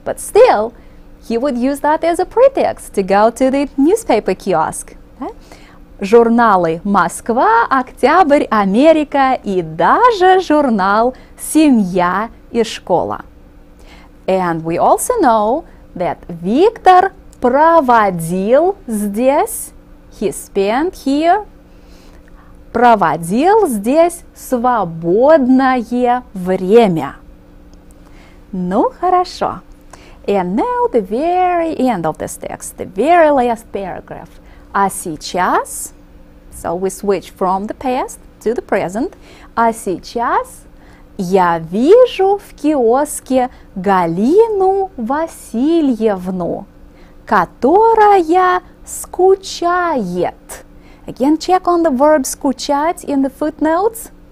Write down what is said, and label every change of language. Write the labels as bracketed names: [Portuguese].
[English] But still, he would use that as a pretext to go to the newspaper kiosk. [Russian] Журналы «Москва», «Октябрь», «Америка» и даже журнал «Семья и школа». [English] And we also know that Виктор [Russian] проводил здесь, [English] he spent here, [Russian] проводил здесь свободное время. Ну, хорошо. [English] And now the very end of this text, the very last paragraph. [Russian] А сейчас, [English] so we switch from the past to the present. [Russian] А сейчас я вижу в киоске Галину Васильевну, которая скучает. [English] Again, check on the verb скучать in the footnotes.